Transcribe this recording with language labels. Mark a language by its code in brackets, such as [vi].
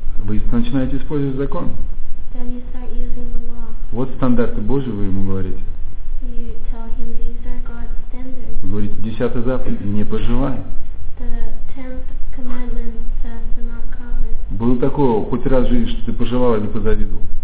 [ru] Вы начинаете использовать закон. [en] Then you start using the law. [ru] Вот стандарты Божьи вы ему говорите. [en] You tell him these are God's standards. [ru] Вы говорите, десятый заповедь, не пожелай. [en] The tenth commandment says do not covet. [ru] Было такое хоть раз в жизни, что ты пожелал или позавидовал?